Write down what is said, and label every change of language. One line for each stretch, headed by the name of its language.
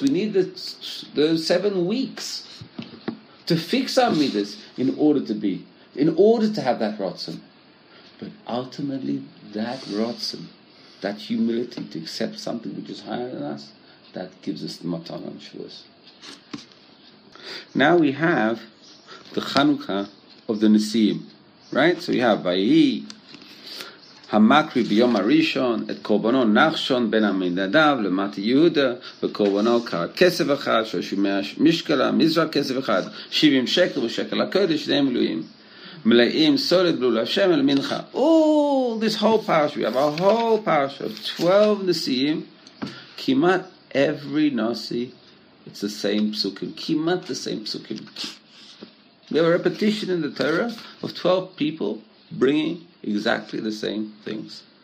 English: We need the 7 weeks to fix our midas in order to have that rotzen. But ultimately, that rotzen, that humility to accept something which is higher than us, that gives us the matan on Shavuos. Now we have the Chanukah of the Nesiim, right? So we have Vayi,
Hebrew: המקריב ביום הראשון את קורבנו נחשון בן המנדב למטה יהודה וקורבנו קרא כסף אחד שושבים משקלה מזרק כסף אחד 70 שקל ושקל הקודש שני מלואים מלאים סולד בלול השם אל מנחה.
English: All this whole parasha, we have a whole parasha of 12 נשיאים. כמעט every nasi, it's the same psukim, כמעט the same psukim. We have a repetition in the Torah of 12 people bringing exactly the same things.